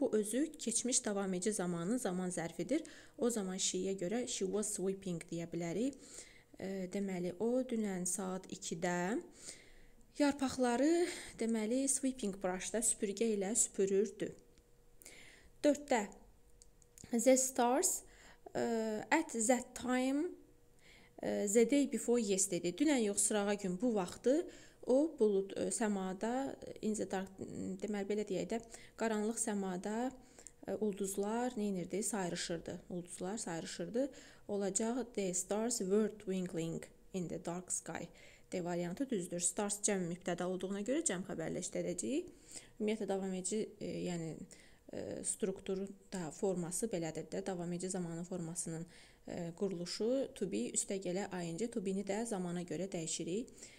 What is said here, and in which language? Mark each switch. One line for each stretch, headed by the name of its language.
Azerbaijani: Bu özü keçmiş davam edici zamanın zaman zərfidir. O zaman she-yə görə
English: she was sweeping
Azerbaijani: deyə bilərik. Deməli, o dünən saat 2-də yarpaqları, deməli,
English: sweeping brush-
Azerbaijani: da süpürgə ilə süpürürdü.
English: 4-də the stars at that time the day before yesterday.
Azerbaijani: Dünən yox, sırağa gün bu vaxtı o bulud səmada
English: in the dark,
Azerbaijani: deməli belə deyək də qaranlıq səmada ulduzlar neynirdi, sayrışırdı. Ulduzlar sayrışırdı. Olacaq
English: the stars were twinkling in the dark sky.
Azerbaijani: D variantı düzdür. Stars cəm mübtədə olduğuna görə cəm xəbərləşdirəcəyik. Ümumiyyətlə davam edici, yəni strukturu da forması belədir də davam edici zamanı formasının quruluşu
English: to be
Azerbaijani: üstə gələ ing, to be-ni də zamana görə dəyişirik.